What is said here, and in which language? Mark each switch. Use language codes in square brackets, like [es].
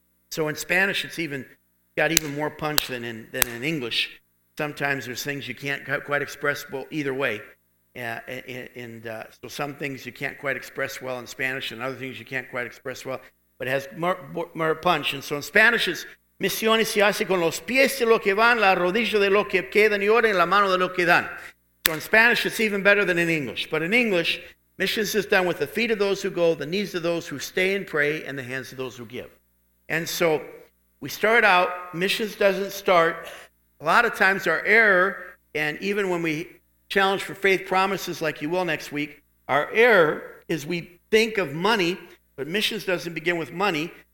[en] So in Spanish, it's even got even more punch than in English. Sometimes there's things you can't quite express well either way. So some things you can't quite express well in Spanish, and other things you can't quite express well, but it has more punch. And so in Spanish, it's [es] Misiones se hace con los pies de lo que van, la rodilla de lo que quedan y ora y la mano de lo que dan. [en] So in Spanish, it's even better than in English. But in English, missions is done with the feet of those who go, the knees of those who stay and pray, and the hands of those who give. And so we start out, missions doesn't start. A lot of times our error, and even when we challenge for faith promises like you will next week, our error is we think of money, but missions doesn't begin with money.